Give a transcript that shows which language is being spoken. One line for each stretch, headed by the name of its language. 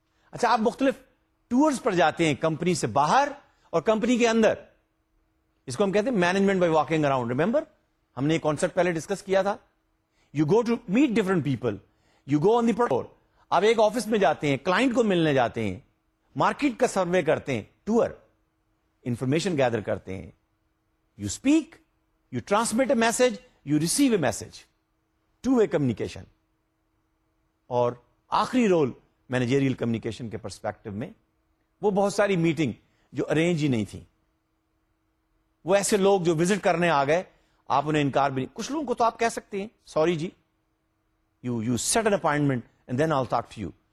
Urdu: اچھا, آپ مختلف ٹورز پر جاتے ہیں کمپنی سے باہر اور کمپنی کے اندر, اس کو ہم کہتے ہیں management by walking around. Remember, ہم نے یہ کانسیپٹ پہلے ڈسکس کیا تھا,
English: You go to meet different people, you go on the پٹور.
Urdu: آپ ایک آفس میں جاتے ہیں, کلائنٹ کو ملنے جاتے ہیں, مارکیٹ کا سروے کرتے ہیں, ٹور انفارمیشن گیدر کرتے ہیں.
English: You speak, you transmit a message, you receive a message, two way communication.
Urdu: اور آخری رول مینیجیریل کمیونیکیشن کے پرسپیکٹو میں, وہ بہت ساری میٹنگ جو ارینج ہی نہیں تھی, وہ ایسے لوگ جو وزٹ کرنے آ گئے, آپ انہیں انکار بھی نہیں. کچھ لوگوں کو تو آپ کہہ سکتے ہیں sorry جی,
English: You set an appointment and then I will talk to you.